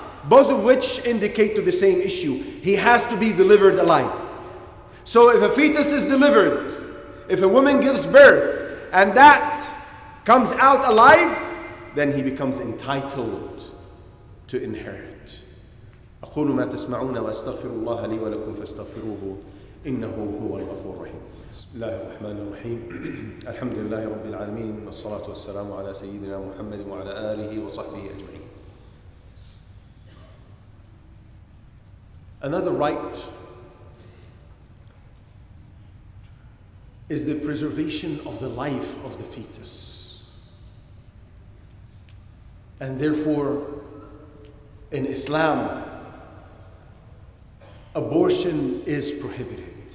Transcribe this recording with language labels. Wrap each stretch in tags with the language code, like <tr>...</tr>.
<en>Both of which indicate to the same issue. He has to be delivered alive. So if a fetus is delivered, if a woman gives birth, and that comes out alive, then he becomes entitled to inherit.</en> <ar>أقول ما تسمعون وأستغفر الله لي ولكم فاستغفروه إنه هو الغفور الرحيم. بسم الله الرحمن الرحيم. الحمد لله رب العالمين والصلاة والسلام على سيدنا محمد وعلى آله وصحبه أجمعين.</ar> <en>Another right is the preservation of the life of the fetus, and therefore in Islam abortion is prohibited.</en>